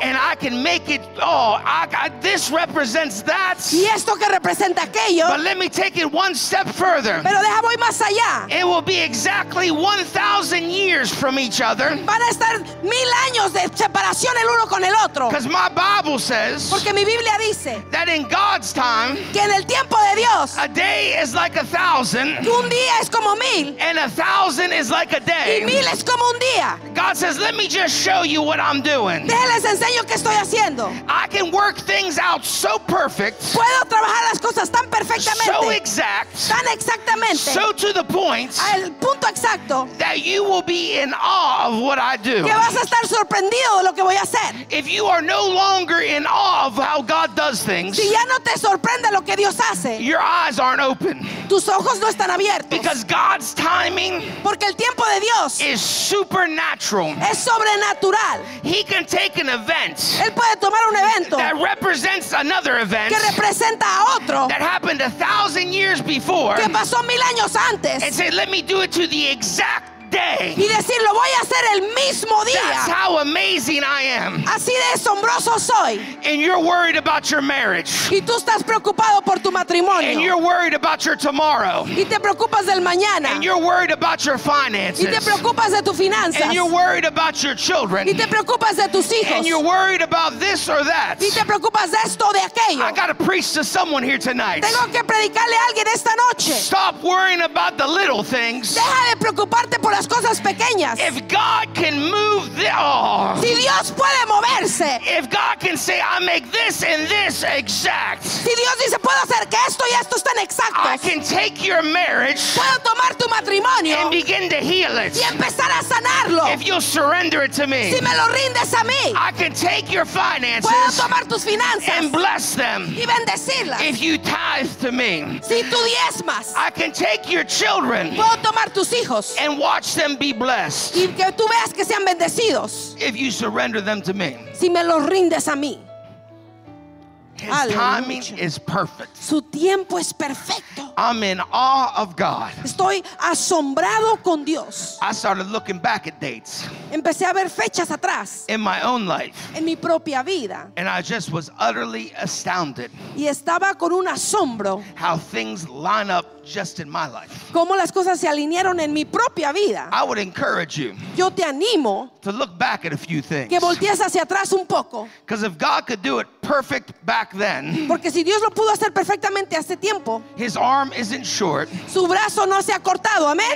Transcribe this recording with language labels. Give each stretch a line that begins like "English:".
English: And I can make it, this represents that.
Spanish: Y esto que representa aquello.
English: But let me take it one step further.
Spanish: Pero deja, voy más allá.
English: It will be exactly 1,000 years from each other.
Spanish: Van a estar mil años de separación el uno con el otro.
English: Because my Bible says.
Spanish: Porque mi Biblia dice.
English: That in God's time.
Spanish: Que en el tiempo de Dios.
English: A day is like a thousand.
Spanish: Un día es como mil.
English: And a thousand is like a day.
Spanish: Y mil es como un día.
English: God says, let me just show you what I'm doing.
Spanish: Déjales enseño qué estoy haciendo.
English: I can work things out so perfect.
Spanish: Puedo trabajar las cosas tan perfectamente.
English: So exact.
Spanish: Tan exact.
English: So to the point
Spanish: al punto exacto,
English: that you will be in awe of what I do.
Spanish: Que vas a estar sorprendido de lo que voy a hacer.
English: If you are no longer in awe of how God does things,
Spanish: si ya no te sorprende lo que Dios hace,
English: your eyes aren't open.
Spanish: Tus ojos no están abiertos.
English: Because God's timing,
Spanish: porque el tiempo de Dios,
English: is supernatural.
Spanish: Es sobrenatural.
English: He can take an event,
Spanish: él puede tomar un evento,
English: that represents another event,
Spanish: que representa a otro,
English: that happened 1,000 years before.
Spanish: Que pasó mil años antes.
English: And say, let me do it to the exact day.
Spanish: Y decir, lo voy a hacer el mismo día.
English: That's how amazing I am.
Spanish: Así de asombroso soy.
English: And you're worried about your marriage.
Spanish: Y tú estás preocupado por tu matrimonio.
English: And you're worried about your tomorrow.
Spanish: Y te preocupas del mañana.
English: And you're worried about your finances.
Spanish: Y te preocupas de tus finanzas.
English: And you're worried about your children.
Spanish: Y te preocupas de tus hijos.
English: And you're worried about this or that.
Spanish: Y te preocupas de esto o de aquello.
English: I gotta preach to someone here tonight.
Spanish: Tengo que predicarle a alguien esta noche.
English: Stop worrying about the little things.
Spanish: Deja de preocuparte por las cosas pequeñas.
English: If God can move
Spanish: si Dios puede moverse.
English: If God can say, I make this and this exact.
Spanish: Si Dios dice, puedo hacer que esto y esto estén exactos.
English: I can take your marriage.
Spanish: Puedo tomar tu matrimonio.
English: And begin to heal it.
Spanish: Y empezar a sanarlo.
English: If you'll surrender it to me.
Spanish: Si me lo rindes a mí.
English: I can take your finances.
Spanish: Puedo tomar tus finanzas.
English: And bless them.
Spanish: Y bendecirlas.
English: If you tithe to me.
Spanish: Si tú diezmas.
English: I can take your children.
Spanish: Puedo tomar tus hijos.
English: And watch them be blessed.
Spanish: Y que tú veas que sean bendecidos.
English: If you surrender them to me.
Spanish: Si me los rindes a mí.
English: His Aleluya. Timing is perfect.
Spanish: Su tiempo es perfecto.
English: I'm in awe of God.
Spanish: Estoy asombrado con Dios.
English: I started looking back at dates.
Spanish: Empecé a ver fechas atrás.
English: In my own life.
Spanish: En mi propia vida.
English: And I just was utterly astounded.
Spanish: Y estaba con un asombro.
English: How things line up just in my life.
Spanish: Cómo las cosas se alinearon en mi propia vida.
English: I would encourage you.
Spanish: Yo te animo.
English: To look back at a few things.
Spanish: Que voltees hacia atrás un poco.
English: Because if God could do it perfect back then.
Spanish: Porque si Dios lo pudo hacer perfectamente hace tiempo.
English: His arm isn't short.
Spanish: Su brazo no se ha cortado, amén.